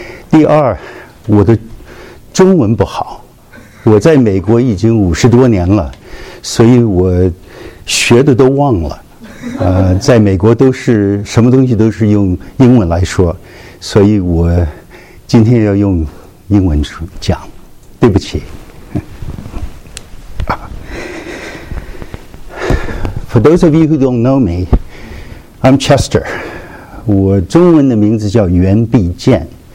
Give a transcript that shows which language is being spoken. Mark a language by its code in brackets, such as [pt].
[zh] 第二，我的中文不好，我在美国已经50多年了，所以我学的都忘了，在美国都是什么东西都是用英文来说，所以我今天要用英文讲，对不起。 [en] For those of you who don't know me, I'm Chester. [zh] 我中文的名字叫袁碧健。